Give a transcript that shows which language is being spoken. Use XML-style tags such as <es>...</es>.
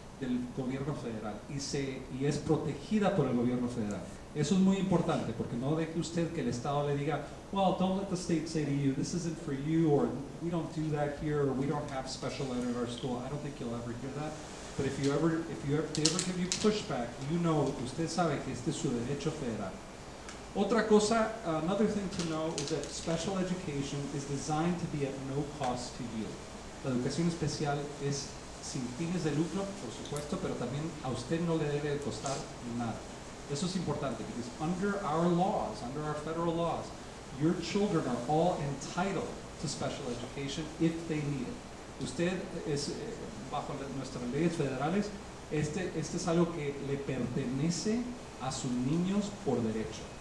<es>del gobierno federal y se y es protegida por el gobierno federal. Eso es muy importante porque no deje usted que el Estado le diga,</es> <en>well, don't let the state say to you, this isn't for you, or we don't do that here, or we don't have special ed at our school. I don't think you'll ever hear that. But if they ever give you pushback, you know,</en> <es>usted sabe que este es su derecho federal. Otra cosa,</es> <en>another thing to know is that special education is designed to be at no cost to you.</en> <es>La educación especial es sin fines de lucro, por supuesto, pero también a usted no le debe costar nada. Eso es importante,</es> <en>because under our laws, under our federal laws, your children are all entitled to special education if they need it.</en> <es>Usted es, bajo nuestras leyes federales, este es algo que le pertenece a sus niños por derecho.</es>